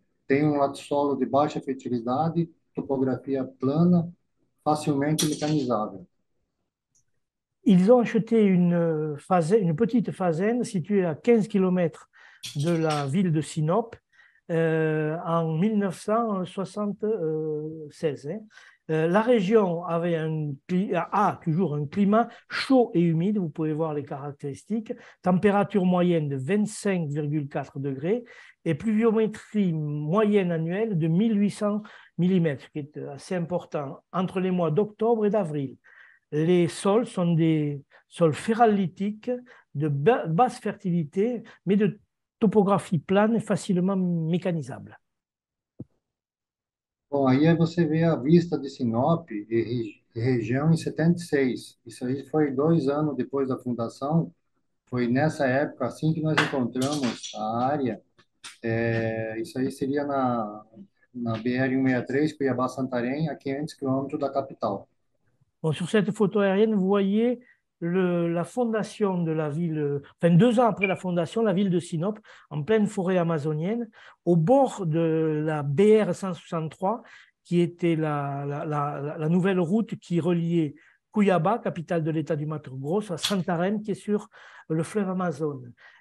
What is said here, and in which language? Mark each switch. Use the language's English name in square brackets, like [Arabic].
[Portuguese] Tem um lato solo de baixa fertilidade, topografia plana, facilmente mecanizável. [French] Ils ont acheté une petite fazenda située à 15 km de la ville de Sinop en 1976. La région a toujours un climat chaud et humide, vous pouvez voir les caractéristiques, température moyenne de 25,4 degrés et pluviométrie moyenne annuelle de 1800 mm, ce qui est assez important, entre les mois d'octobre et d'avril. Les sols sont des sols ferralitiques de basse fertilité, mais de topographie plane et facilement mécanisable. [Portuguese] Bom, aí você vê a vista de Sinop e região em 76. Isso aí foi 2 anos depois da fundação. Foi nessa época, assim que nós encontramos a área. Isso aí seria na BR-163, Cuiabá Santarém, a 500 quilômetros da capital. [French] Bon, sur cette photo aérienne, vous voyez la fondation de la ville, enfin 2 ans après la fondation, la ville de Sinop, en pleine forêt amazonienne, au bord de la BR-163, qui était la nouvelle route qui reliait Cuiabá, capitale de l'État du Mato Grosso, à Santarém, qui est sur le fleuve Amazone.